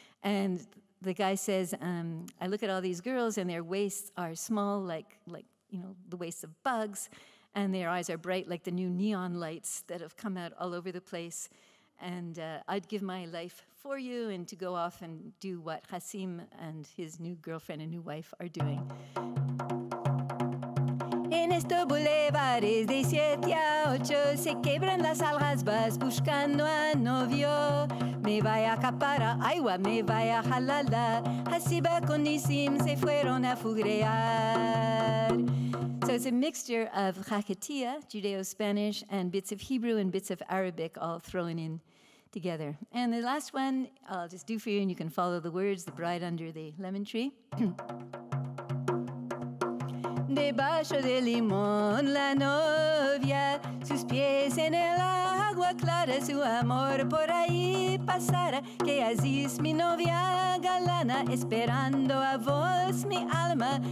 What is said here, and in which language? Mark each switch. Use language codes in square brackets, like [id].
[en] And the guy says, I look at all these girls, and their waists are small, like you know, the waists of bugs, and their eyes are bright like the new neon lights that have come out all over the place. And I'd give my life for you and to go off and do what Hasim and his new girlfriend and new wife are doing. [lad] En estos bulevares de 7 a 8 se quebran las algazbas buscando a novio. Me vaya a capara, aywa, me vaya a jalala. Hasiba con Nisim se fueron a fugrear. [en] So it's a mixture of haketía, Judeo-Spanish, and bits of Hebrew and bits of Arabic all thrown in together. And the last one I'll just do for you and you can follow the words, the bride under the lemon tree. [lad] Debajo del limón la novia, sus pies en el agua clara, su amor por ahí pasará. Que así es mi novia galana, esperando a vos mi alma.